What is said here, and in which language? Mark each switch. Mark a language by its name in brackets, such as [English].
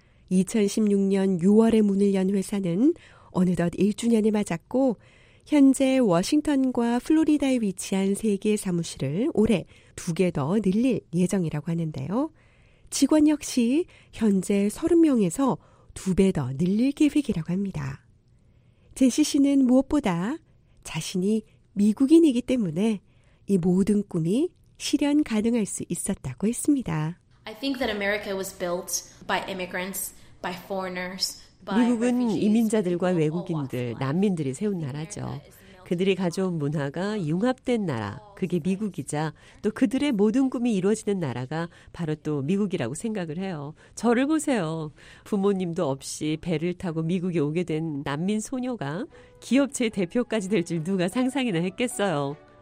[Korean] 2016년 6월에 문을 연 회사는 어느덧 1주년을 맞았고 현재 워싱턴과 플로리다에 위치한 3개의 사무실을 올해 2개 더 늘릴 예정이라고 하는데요. 직원 역시 현재 30명에서 2배 더 늘릴 계획이라고 합니다. 제시 씨는 무엇보다 자신이 미국인이기 때문에 이 모든 꿈이 실현 가능할 수 있었다고 했습니다. [English] I think that America was built by immigrants, by foreigners, by [Korean] 미국은 이민자들과 외국인들, 난민들이 세운 나라죠. 그들이 가져온 문화가 융합된 나라, 그게 미국이자 또 그들의 모든 꿈이 이루어지는 나라가 바로 또 미국이라고 생각을 해요. 저를 보세요. 부모님도 없이 배를 타고 미국에 오게 된 난민 소녀가 기업체 대표까지 될 줄 누가 상상이나 했겠어요.